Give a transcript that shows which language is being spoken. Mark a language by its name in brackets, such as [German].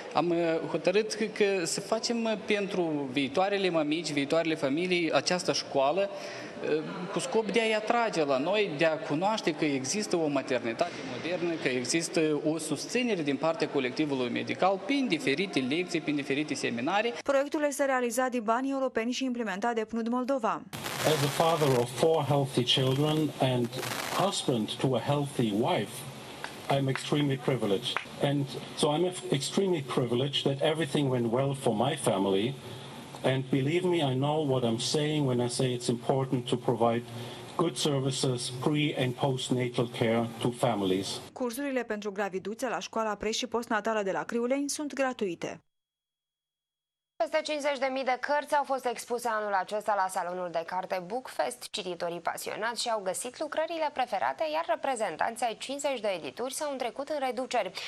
[Romanian] Am hotărât că să facem pentru viitoarele mămici, viitoarele familii, această școală cu scop de a-i atrage la noi, de a cunoaște că există o maternitate modernă, că există o susținere din partea colectivului medical prin diferite lecții, prin diferite seminarii. Proiectul este realizat din banii europeni și implementat de PNUD Moldova. [English] As a father of four healthy children and husband to a healthy wife, I'm extremely privileged. And so I'm extremely privileged that everything went well for my family. And believe me, I know what I'm saying when I say it's important to provide good services pre- and postnatal care to families. [Romanian] Cursurile pentru graviduțe la școala pre- și postnatală de la Criuleni sunt gratuite. Peste 50.000 de cărți au fost expuse anul acesta la salonul de carte Bookfest. Cititorii pasionați și-au găsit lucrările preferate, iar reprezentanții ai 50 de edituri s-au întrecut în reduceri.